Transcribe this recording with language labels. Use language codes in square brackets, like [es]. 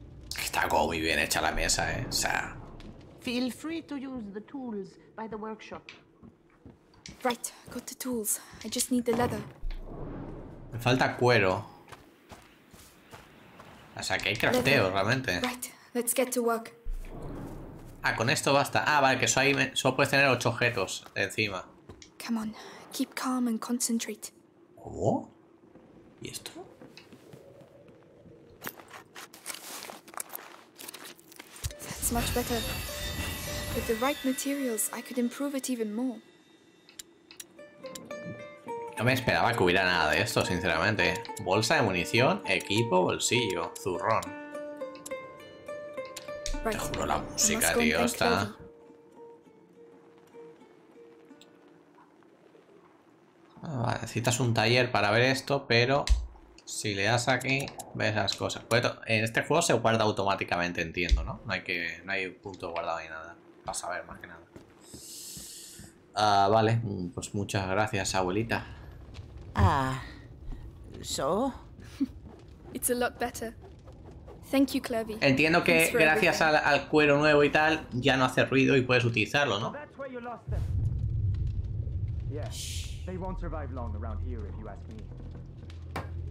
[es] Está como muy bien hecha la mesa, eh. O sea. [en] Feel free to use the tools by the workshop. Right, got the tools. I just need the leather. [es] Me falta cuero. O sea, que hay crafteo, realmente. [en] Right. Let's get to work. [es] Ah, con esto basta. Ah, vale, que solo puedes tener 8 objetos encima. [en] Come on. Keep calm and concentrate. [es] ¿Cómo? ¿Y esto? [en] That's much better. With the right materials, I could improve it even more. [es] No me esperaba que hubiera nada de esto, sinceramente. Bolsa de munición, equipo, bolsillo, zurrón. Te juro la música, tío, está. Vale, necesitas un taller para ver esto, pero si le das aquí, ves las cosas. En este juego se guarda automáticamente, entiendo, ¿no? No hay punto guardado ni nada. Para saber más que nada. Vale, pues muchas gracias, abuelita. [en] Ah, so? It's a lot better. Thank you, Clovy. [es] Entiendo que gracias al cuero nuevo y tal, ya no hace ruido y puedes utilizarlo, ¿no? [en] That's where you lost them. Yeah, they won't survive long around here, if you ask me.